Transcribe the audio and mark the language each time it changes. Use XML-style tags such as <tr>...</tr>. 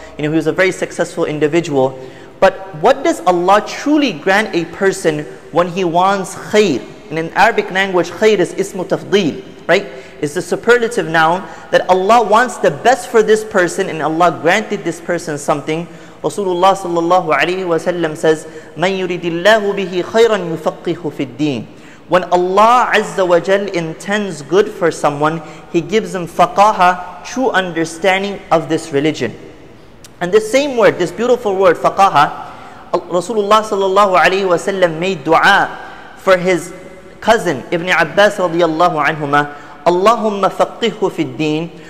<en>You know, he was a very successful individual. But what does Allah truly grant a person when he wants khayr? And in Arabic language, khayr is ismu tafdeel, right? It's the superlative noun that Allah wants the best for this person and Allah granted this person something. Rasulullah sallallahu alayhi wa sallam says,</en> <ar>مَنْ يُرِدِ اللَّهُ بِهِ خَيْرًا يُفَقِّهُ فِي الدِّينِ.</ar> <en>When Allah Azza wa Jal intends good for someone, He gives them faqaha, true understanding of this religion. And the same word, this beautiful word, faqaha, Rasulullah sallallahu alayhi wa sallam made dua for his cousin, Ibn Abbas radiallahu anhumah, Allahumma faqqihu fi ddeen.</en>